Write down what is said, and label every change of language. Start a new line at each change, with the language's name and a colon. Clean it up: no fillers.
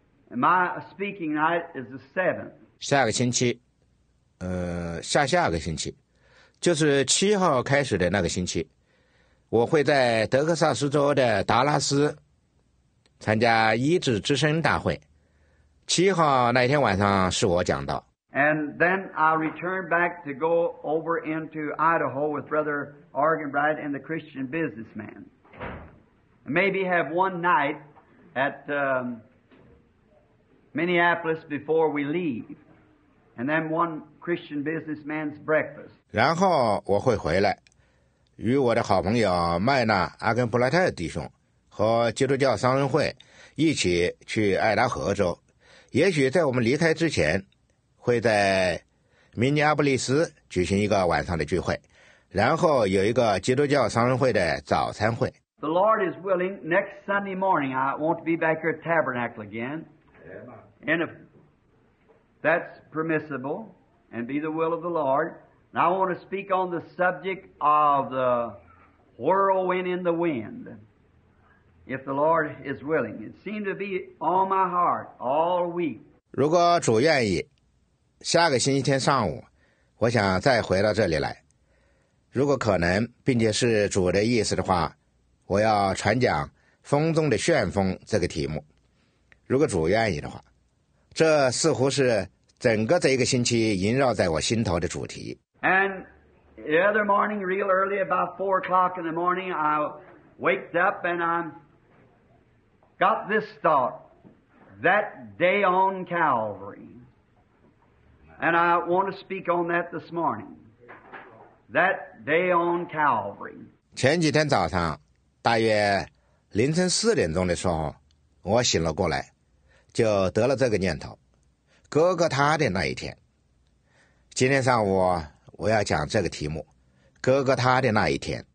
English: And my speaking night is the 7th.
Chinese: 下个星期，下下个星期，就是七号开始的那个星期，我会在德克萨斯州的达拉斯参加医治之声大会。七号那天晚上是我讲道。
English: And then I'll return back to go over into Idaho with Brother Argan Bright and the Christian businessman. Maybe have one night at Minneapolis before we leave. And then one Christian businessman's breakfast.
Chinese: 然后我会回来，与我的好朋友麦纳阿根布莱特弟兄和基督教商人会一起去爱达荷州。也许在我们离开之前，会在明尼阿波利斯举行一个晚上的聚会，然后有一个基督教商人会的早餐会。
English: The Lord is willing, next Sunday morning I want to be back here at Tabernacle again. And if that's permissible and be the will of the Lord, I want to speak on the subject of the whirlwind in the wind. If the Lord is willing. It seemed to be on my heart all week.
Chinese: 如果主愿意，下个星期天上午，我想再回到这里来。如果可能，并且是主的意思的话，我要传讲《风中的旋风》这个题目。如果主愿意的话，这似乎是整个这一个星期萦绕在我心头的主题。
English: And the other morning, real early, about 4 o'clock in the morning, I waked up and I got this thought that day on Calvary, and I want to speak on that this morning. That day on Calvary.
Chinese: 前几天早上，大约凌晨4点钟的时候，我醒了过来，就得了这个念头。哥哥他的那一天，今天上午我要讲这个题目，哥哥他的那一天。